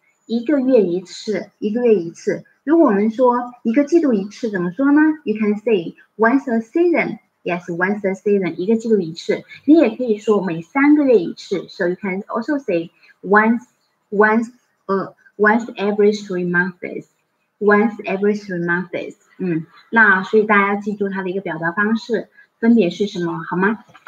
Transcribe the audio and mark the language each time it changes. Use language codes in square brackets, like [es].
[zh] 一个月一次，一个月一次。如果我们说一个季度一次，怎么说呢 ？ [en] You can say once a season. Yes, once a season. [zh] 一个季度一次。你也可以说每三个月一次。 [en] So you can also say once every 3 months. Once every 3 months. [zh] 嗯，那所以大家记住它的一个表达方式分别是什么，好吗？